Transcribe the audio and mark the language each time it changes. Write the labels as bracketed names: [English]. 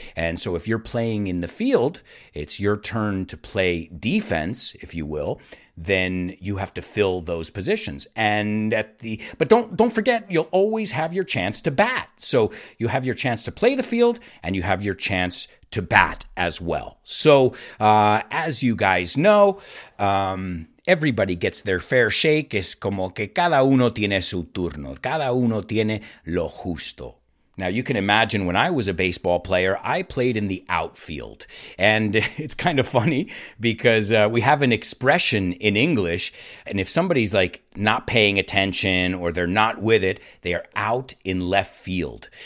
[English] And so if you're playing in the field, it's your turn to play defense, if you will, then you have to fill those positions. And don't forget, you'll always have your chance to bat. So you have your chance to play the field and you have your chance to bat as well. So as you guys know, everybody gets their fair shake. [Spanish] Es como que cada uno tiene su turno. Cada uno tiene lo justo. [English] Now, you can imagine when I was a baseball player, I played in the outfield. And it's kind of funny because we have an expression in English. And if somebody's like not paying attention or they're not with it, they are out in left field.